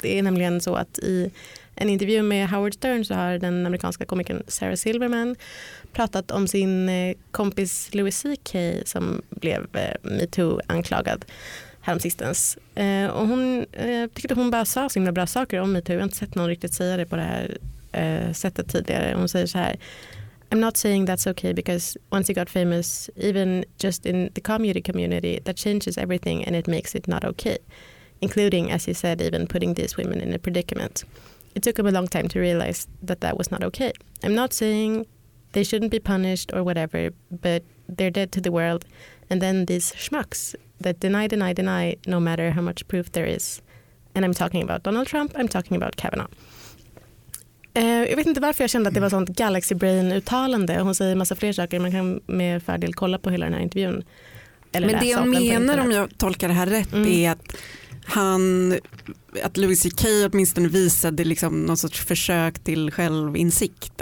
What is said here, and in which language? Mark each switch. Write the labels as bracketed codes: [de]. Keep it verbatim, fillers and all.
[sv] Det är nämligen så att i en intervju med Howard Stern så har den amerikanska komikern Sarah Silverman pratat om sin kompis Louis C K som blev MeToo-anklagad häromsistens. Och hon tyckte hon bara sa så himla bra saker om MeToo. Jag har inte sett någon riktigt säga det på det här sättet tidigare. Hon säger så här: [en] I'm not saying that's okay because once you got famous, even just in the comedy community, that changes everything and it makes it not okay, including, as you said, even putting these women in a predicament. It took them a long time to realize that that was not okay. I'm not saying they shouldn't be punished or whatever, but they're dead to the world. And then these schmucks that deny, deny, deny, no matter how much proof there is. And I'm talking about Donald Trump, I'm talking about Kavanaugh. [sv] Jag vet inte varför jag kände att det var sånt Galaxy Brain-uttalande. Hon säger massa fler saker. Man kan med fördel kolla på hela den här intervjun. Eller men det jag menar, om jag tolkar det här rätt, mm. är att, han, att Louis C K åtminstone visade liksom någon sorts försök till självinsikt.